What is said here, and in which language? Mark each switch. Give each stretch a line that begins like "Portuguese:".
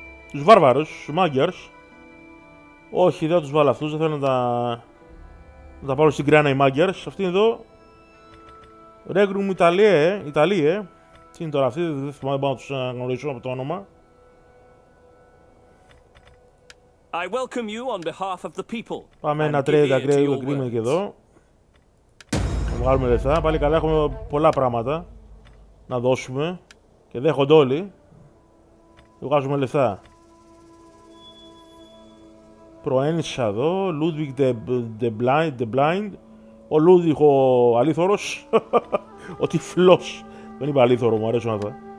Greek: Τους βάρβαρους, τους Magyars. Όχι, δεν τους βάλω αυτούς, δεν θέλω να τα... Να τα πάρω στην κράνα οι Magyars. Αυτή εδώ. Regroom Italiae. Italiae. Τι είναι τώρα αυτή, δεν θυμάμαι, δεν πάω να τους γνωρίσω από το όνομα.
English: I welcome you on behalf of the people.
Greek: Πάμε ένα trade agreement και εδώ. Θα βγάλουμε λεφτά. Πάλι καλά, έχουμε πολλά πράγματα να δώσουμε. Και δέχονται όλοι. Βγάζουμε λεφτά. Προένισα εδώ, Ludwig the Blind. Ο Ludwig ο αλήθωρος. Ο τυφλός. Δεν είπα αλήθωρο, μου αρέσουν αυτά.